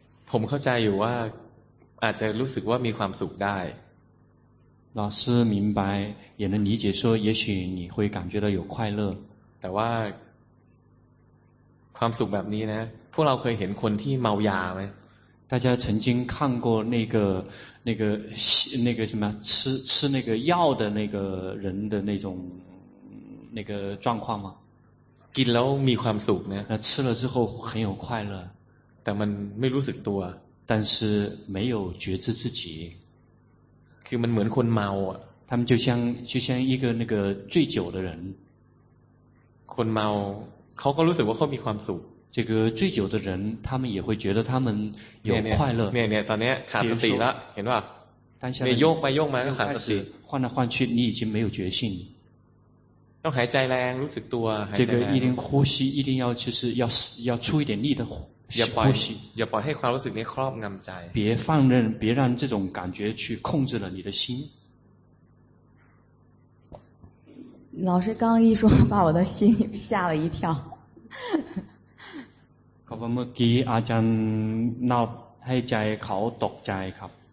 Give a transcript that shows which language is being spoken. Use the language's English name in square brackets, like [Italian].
[Thai] ผมเข้าใจอยู่ว่าอาจจะรู้สึกว่ามีความสุขได้ [Chinese] 老师明白也能理解说也许你会感觉到有快乐 [Thai] แต่ว่าความสุขแบบนี้นะพวกเราเคยเห็นคนที่เมายาไหม [Chinese] 大家曾经看过那个什么吃那个药的那个人的那种那个状况吗 [Thai] กินแล้วมีความสุขนะ [Chinese] 吃了之后很有快乐 [Thai] แต่มันไม่รู้สึกตัว [Chinese] 但是没有觉知自己 [Thai] คือมันเหมือนคนเมาอ่ะ [Chinese] 他们就像一个那个醉酒的人 [Thai] คนเมาเขาก็รู้สึกว่าเขามีความสุข [Chinese] 这个醉酒的人他们也会觉得他们有快乐 [Thai] เนี่ยตอนนี้ขาดสติละเห็นป่ะ ตอนนี้โยกไปโยกมาขาดสติ [Chinese] 换来换去你已经没有决心 [Thai] ต้องหายใจแรงรู้สึกตัว [Chinese] 这个一定呼吸一定要就是要出一点力的 [Thai] อย่าปล่อยให้ความรู้สึกนี้ครอบงำใจ [Chinese] 别让这种感觉去控制了你的心老师刚一说把我的心吓了一跳 [Thai] ครับเมื่อกี้อาจารย์นับให้ใจเขาตกใจครับ